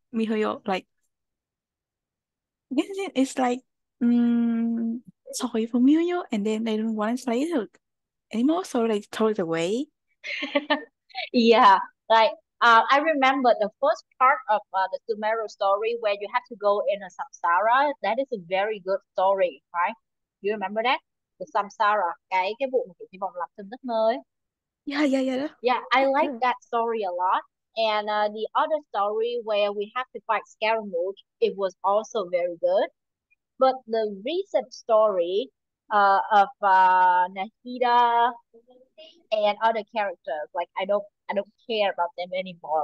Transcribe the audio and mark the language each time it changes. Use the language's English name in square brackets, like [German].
[English] Mihoyo, like it's like sorry for Mihoyo, and then they don't want to play it anymore, so they throw it away. Yeah, like I remember the first part of the Sumeru story where you have to go in a samsara. That is a very good story, right? You remember that? [Vietnamese] The samsara, cái vụ mà chị đi vòng lặp trên đất mới. [English] Yeah, Yeah, I that's like good. that story a lot. And the other story where we have to fight Scaramouche, it was also very good. But the recent story of Nahida and other characters, like I don't care about them anymore.